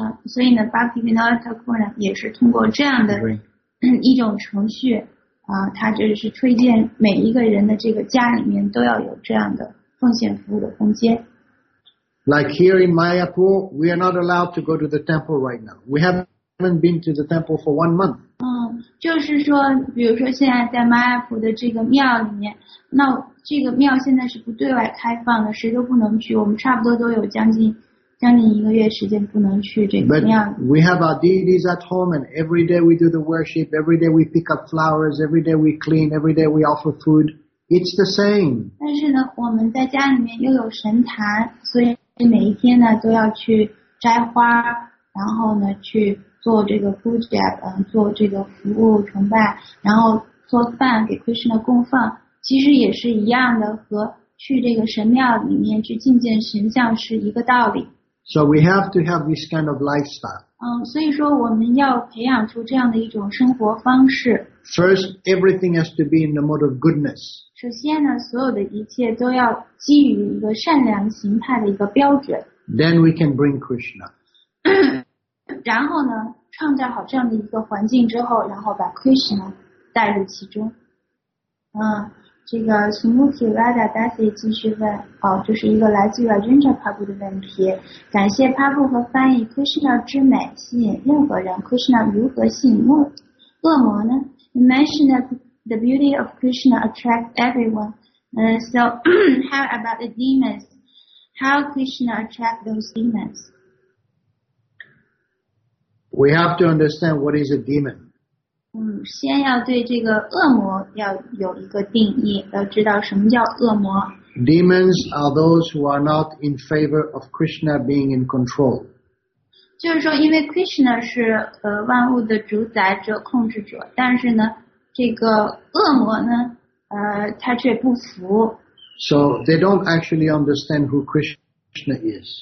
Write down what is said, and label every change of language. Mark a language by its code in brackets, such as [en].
[zh] 所以呢 ，Bhaktivinoda Thakur 呢也是通过这样的一种程序，他就是推荐每一个人的这个家里面都要有这样的奉献服务的空间。 [en] Like here in Mayapur, we are not allowed to go to the temple right now. We haven't been to the temple for 1 month. [zh] 就是说，比如说现在在 Mayapur 的这个庙里面，那这个庙现在是不对外开放的，谁都不能去。我们差不多都有将近一个月时间不能去这个庙。 [en] But we have our deities at home, and every day we do the worship. Every day we pick up flowers. Every day we clean. Every day we offer food. It's the same. [zh] 但是呢，我们在家里面又有神坛，所以每一天呢都要去摘花，然后呢去做这个 puja， 做这个服务崇拜，然后做饭给 Krishna 供奉，其实也是一样的，和去这个神庙里面去觐见神像是一个道理。 [en] So we have to have this kind of lifestyle. [zh] 所以说我们要培养出这样的一种生活方式。 [en] First, everything has to be in the mode of goodness. [zh] 首先呢，所有的一切都要基于一个善良形态的一个标准。 [en] Then we can bring Krishna. [zh] 然后呢，创造好这样的一个环境之后，然后把 Krishna 带入其中。这个 Sumuki Rada Dasi 继续问，就是一个来自于 Rajendra Prabhu 的问题，感谢 Prabhu 和翻译 Krishna 之美吸引任何人， Krishna 如何吸引恶魔呢？ [en] You mentioned that the beauty of Krishna attracts everyone. So how about the demons? How Krishna attract those demons? We have to understand what is a demon. [zh] 先要对这个恶魔要有一个定义，要知道什么叫恶魔。 [en] Demons are those who are not in favor of Krishna being in control. [zh] 就是说，因为 Krishna 是万物的主宰者、控制者，但是呢，这个恶魔呢，他却不服。 [en] So they don't actually understand who Krishna is.